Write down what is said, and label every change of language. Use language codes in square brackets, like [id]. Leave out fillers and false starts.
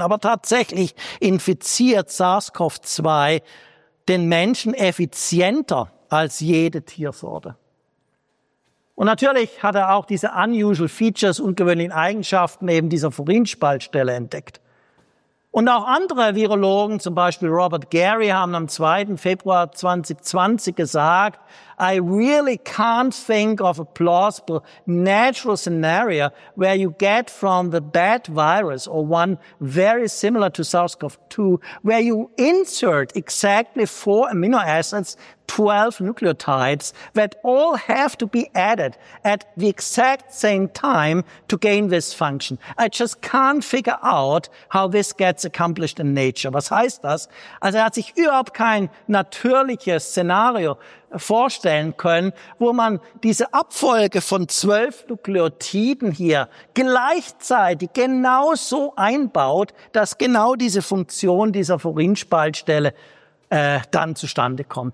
[de] Aber tatsächlich infiziert SARS-CoV-2 den Menschen effizienter als jede Tiersorte. Und natürlich hat er auch diese [en] unusual features, [de] ungewöhnlichen Eigenschaften eben dieser Furinspaltstelle entdeckt. Und auch andere Virologen, zum Beispiel Robert Gary, haben am 2. Februar 2020 gesagt, [en] I really can't think of a plausible natural scenario where you get from the bat virus or one very similar to SARS-CoV-2, where you insert exactly 4 amino acids, 12 nucleotides that all have to be added at the exact same time to gain this function. I just can't figure out how this gets accomplished in nature. [de] Was heißt das? Also er hat sich überhaupt kein natürliches Szenario vorstellen können, wo man diese Abfolge von 12 Nukleotiden hier gleichzeitig genau so einbaut, dass genau diese Funktion dieser Furinspaltstelle dann zustande kommt.